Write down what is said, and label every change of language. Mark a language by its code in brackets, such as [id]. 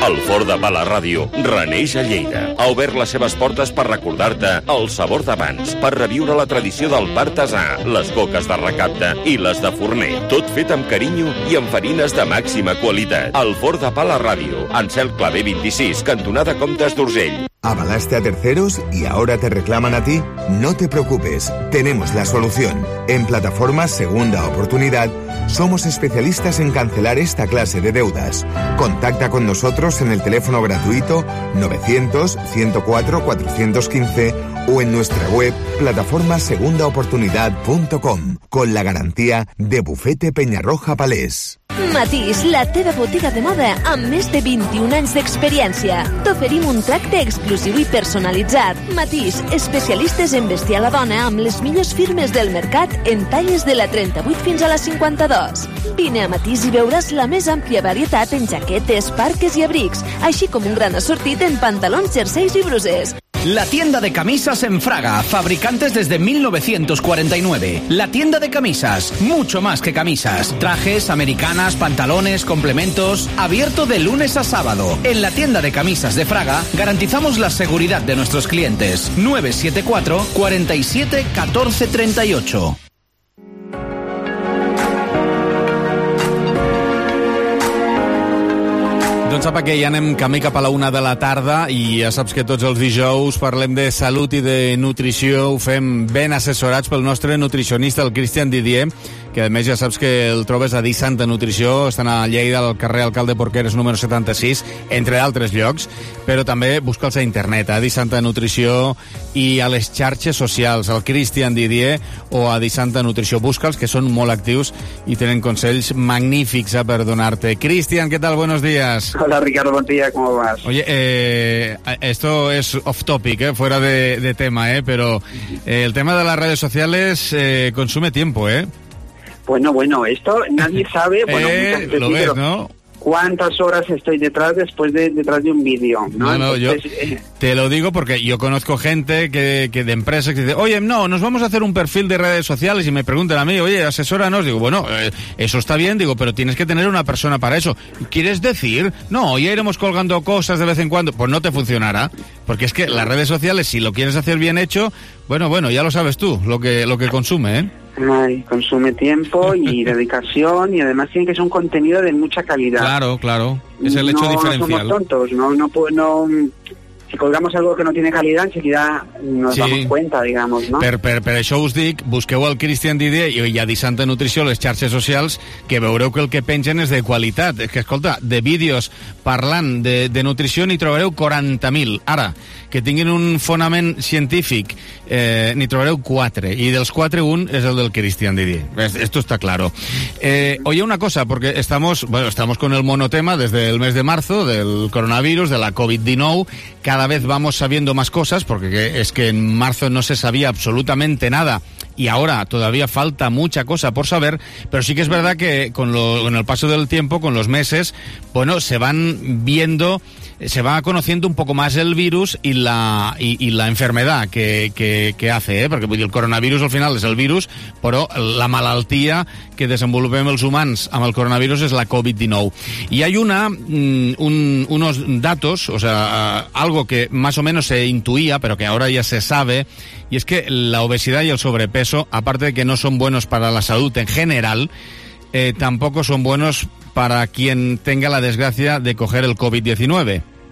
[ca] El forn de Bala Ràdio reneix a Lleida. Ha obert les seves portes per recordar-te el sabor d'abans, per reviure la tradició del bartesà, les coques de recapte i les de forner. Tot fet amb carinyo i amb farines de màxima qualitat. El forn de Bala Ràdio, en Cel Claver 26, cantonada Comtes d'Urgell. [es] ¿Avalaste a terceros y ahora te reclaman a ti? No te preocupes, tenemos la solución. En Plataforma Segunda Oportunidad somos especialistas en cancelar esta clase de deudas. Contacta con nosotros en el teléfono gratuito 900-104-415 o en nuestra web plataformasegundaoportunidad.com con la garantía de Bufete Peñarroja Palés. [ca] Matís, la teva botiga de moda amb més de 21 anys d'experiència. T'oferim un tracte exclusiu i personalitzat. Matís, especialistes en vestir a la dona amb les millors firmes del mercat en talles de la 38 fins a la 52. Vine a Matís i veuràs la més àmplia varietat en jaquetes, parques i abrics, així com un gran assortit en pantalons, jerseis i brusers. [es] La tienda de camisas en Fraga, fabricantes desde 1949. La tienda de camisas, mucho más que camisas. Trajes, americanas, pantalones, complementos, abierto de lunes a sábado. En la tienda de camisas de Fraga, garantizamos la seguridad de nuestros clientes. 974-47-1438. [ca] Doncs sap que ja anem camí cap a la una de la tarda i ja saps que tots els dijous parlem de salut i de nutrició. Ho fem ben assessorats pel nostre nutricionista, el Cristian Didier, que a més ja saps que el trobes a Dissanta Nutrició, estan a Lleida, al carrer Alcalde Porqueres número 76, entre altres llocs, però també busca'ls a internet, a Dissanta Nutrició i a les xarxes socials, al Cristian Didier o a Dissanta Nutrició. Busca'ls, que són molt actius i tenen consells magnífics per donar-te. Cristian, què tal? [es] Buenos días. [ca] Hola, Ricardo, bon dia, com vas? [es] Oye, esto es off topic, fuera de tema, pero el tema de las redes sociales consume tiempo, Bueno, esto nadie sabe, ¿no? ¿Cuántas horas estoy detrás detrás de un vídeo? Te lo digo porque yo conozco gente que de empresas que dice, oye, no, nos vamos a hacer un perfil de redes sociales y me preguntan a mí, oye, asesóranos. Digo, bueno, eso está bien, digo, pero tienes que tener una persona para eso. ¿Quieres decir? No, ya iremos colgando cosas de vez en cuando. Pues no te funcionará, porque es que las redes sociales, si lo quieres hacer bien hecho, bueno, ya lo sabes tú, lo que consume, ¿eh? Consume tiempo y dedicación y además tiene que ser un contenido de mucha calidad. Claro, es el hecho diferencial. No somos tontos, no si colgamos algo que no tiene calidad, enseguida nos damos cuenta, digamos, ¿no? [ca] Per això us dic, busqueu el Christian Didier i a Dissabte Nutrició a les xarxes socials, que veureu que el que pengen és de qualitat. És que, escolta, de vídeos parlant de nutrició n'hi trobareu 40.000. Ara, que tinguin un fonament científic, n'hi trobareu 4. I dels 4, un és el del Christian Didier. [es] Esto está claro. Oye, una cosa, porque estamos, bueno, estamos con el monotema desde el mes de marzo del coronavirus, de la COVID-19. Cada vez vamos sabiendo más cosas, porque es que en marzo no se sabía absolutamente nada. Y ahora todavía falta mucha cosa por saber, pero sí que es verdad que con el paso del tiempo, con los meses, bueno, se van viendo, se va conociendo un poco más el virus y la enfermedad que hace, ¿eh? Porque el coronavirus al final es el virus, pero [ca] la malaltia que desenvolupem els humans amb el coronavirus és la COVID-19. I hi ha una, [es] unos datos, o sea, algo que más o menos se intuía, pero que ahora ya se sabe, y es que la obesidad y el sobrepeso, aparte de que no son buenos para la salud en general, tampoco son buenos para quien tenga la desgracia de coger el COVID-19.